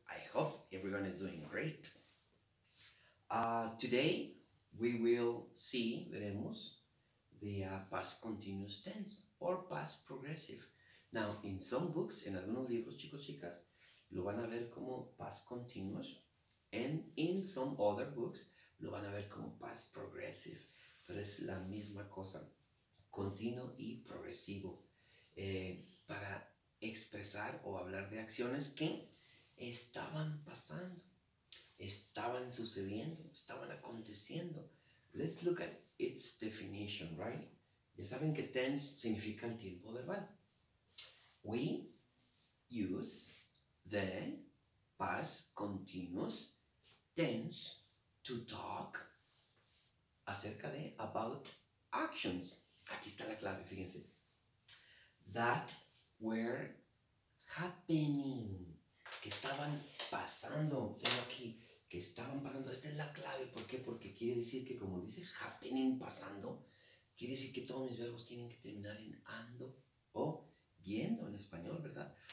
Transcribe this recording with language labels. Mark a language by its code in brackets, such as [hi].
[en] I hope everyone is doing great. Today we will see, [es] veremos, [en] the past continuous tense or past progressive. Now, in some books, [es] en algunos libros, chicos, chicas, lo van a ver como past continuous, [en] and in some other books, [es] lo van a ver como past progressive, pero es la misma cosa, continuo y progresivo, para expresar o hablar de acciones que estaban pasando, estaban sucediendo, estaban aconteciendo. [en] Let's look at its definition, right? [es] Ya saben que tense significa el tiempo verbal. [en] We use the past continuous tense to talk [es] acerca de, [en] about actions. [es] Aquí está la clave, fíjense. [en] That were happening. [es] Que estaban pasando. Tengo aquí que estaban pasando. Esta es la clave. ¿Por qué? Porque quiere decir que, como dice happening, pasando, quiere decir que todos mis verbos tienen que terminar en ando o yendo en español, ¿verdad?